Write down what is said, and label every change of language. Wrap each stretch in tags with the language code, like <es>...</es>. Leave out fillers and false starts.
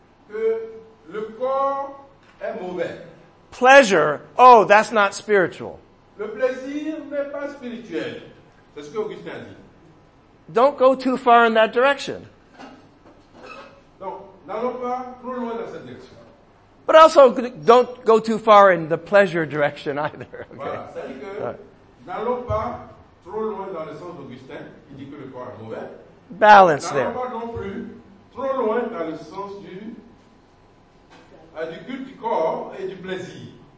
<fr>Que le corps est mauvais.</fr> <en>Pleasure, oh, that's not spiritual.</en> <fr>Le plaisir n'est pas spirituel. C'est ce que Augustin a dit.</fr> <en>Don't go too far in that direction.</en> <fr>Donc, n'allons pas trop loin dans cette direction.</fr> <en>But also, don't go too far in the pleasure direction either.</en> <fr>Okay. Voilà, c'est-à-dire que n'allons pas trop loin dans le sens d'Augustin, il dit que le corps est mauvais.</fr> <en>Balance there.</en> <fr>Pas non plus trop loin dans le sens du culte du corps et du plaisir.</fr>